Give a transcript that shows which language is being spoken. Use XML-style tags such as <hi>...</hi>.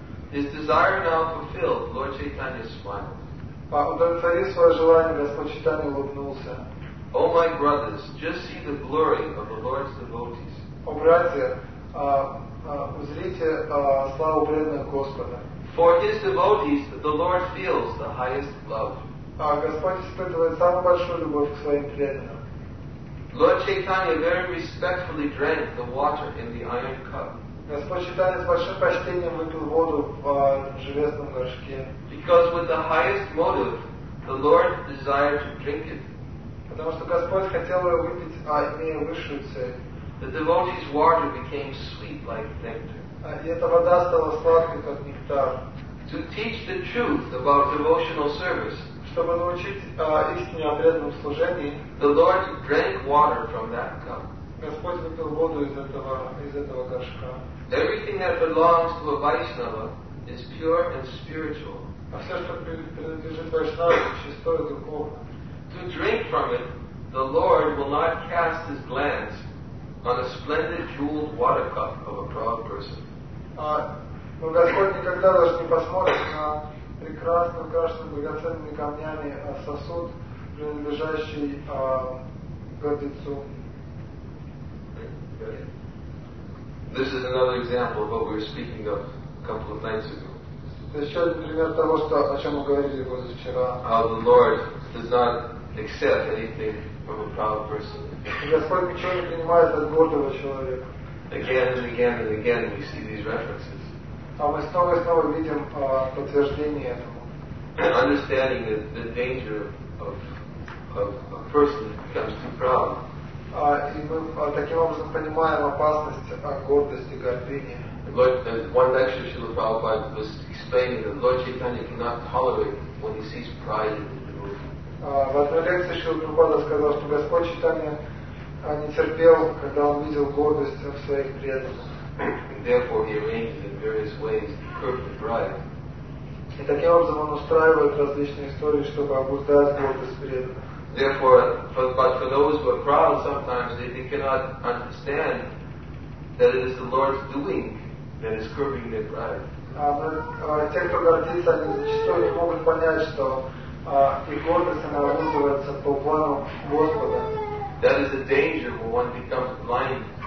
<en>His desire now fulfilled, Lord Chaitanya smiled.</en> <ru>Удовлетворив свое желание, Господь Чайтанья улыбнулся.</ru> <en>Oh my brothers, just see the glory of the Lord's devotees.</en> <ru>О братья, узрите славу преданных Господа.</ru> <en>For his devotees, the Lord feels the highest love.</en> <ru>Господь испытывает самую большую любовь к своим преданным.</ru> <en>Lord Chaitanya very respectfully drank the water in the iron cup.</en> <ru>Господь Чайтанья с большим почтением выпил воду в железном горшке.</ru> <en>Because with the highest motive, the Lord desired to drink it.</en> <ru>Потому что Господь хотел его выпить, имея высшую цель.</ru> <en>The devotee's water became sweet like nectar.</en> <ru>И эта вода стала сладкой, как нектар.</ru> <en>To teach the truth about devotional service,</en> <ru>чтобы научить истине о преданном служении,</ru> <en>the Lord drank water from that cup.</en> <ru>Господь выпил воду из этого горшка.</ru> <en>Everything that belongs to a Vaishnava is pure and spiritual.</en> <ru>А все, что принадлежит Вайшнаве, чистое и духовное.</ru> <en>To drink from it, the Lord will not cast his glance on a splendid jeweled water cup of a proud person.</en> <ru>Но Господь никогда даже не посмотрит на прекрасно украшенный драгоценными камнями сосуд, принадлежащий гордецу.</ru> <en>This is another example of what we were speaking of a couple of nights ago.</en> <ru>Это еще один пример того, о чем мы говорили позавчера.</ru> <en>How the Lord does not accept anything from a proud person.</en> <ru>Господь ничего не принимает от гордого человека.</ru> <en>Again and again and again we see these references.</en> <ru>А мы снова и снова видим подтверждение этому.</ru> <en>Understanding the danger of a person who becomes too proud.</en> <ru>И мы таким образом понимаем опасность гордости, гордыни.</ru> <en>One lecture Srila Prabhupada was explaining that Lord Chaitanya cannot tolerate when he sees pride in the devotee.</en> <ru>В одной лекции Шрила Прабхупада сказал, что Господь Чайтанья не терпел, когда он видел гордость в своих преданных.</ru> <en>And therefore he arranged in various ways to curb the pride.</en> <ru>И таким образом он устраивает различные истории, чтобы обуздать гордость преданных.</ru> <en>Therefore, but for those who are proud sometimes, they cannot understand that it is the Lord's doing that is curbing their pride.</en> <ru>Те, кто гордится, они зачастую не могут понять, что их гордость, она обуздывается по плану Господа.</ru> <en>That is the danger when one becomes blind</en>